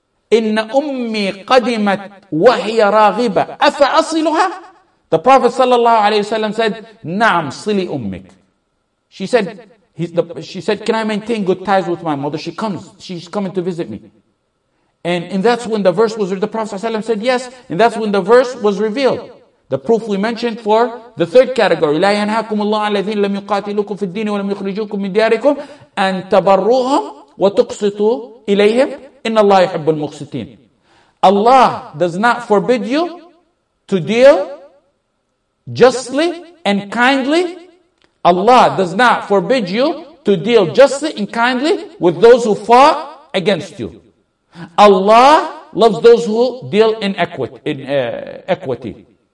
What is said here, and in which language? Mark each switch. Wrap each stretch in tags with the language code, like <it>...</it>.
<ar>إِنَّ أُمِّي قَدِمَتْ وَهِيَ رَاغِبَةً أَفَأَصِلُهَا.</ar> <en>The Prophet sallallahu alaihi wasallam said,</en> <ar>نَعَمْ صِلِي أُمِّكْ.</ar> <en>She said, can I maintain good ties with my mother? She's coming to visit me. And that's when the verse was, the Prophet sallallahu alaihi wasallam said yes, and that's when the verse was revealed. The proof we mentioned for the third category,</en> <ar>لَا يَنْهَاكُمُ اللَّهُ الَّذِينَ لَمْ يُقَاتِلُكُمْ فِي الدِّينِ وَلَمْ يُخْرِجُوكُمْ مِنْ دِيَارِكُمْ أَنْ تَبَرُّوهُمْ وَتُقْسِطُوا إِلَيْهِمْ. إن الله يحب المقسطين.</ar> <en>Allah does not forbid you to deal justly and kindly. Allah does not forbid you to deal justly and kindly with those who fought against you. Allah loves those who deal in equity.</en>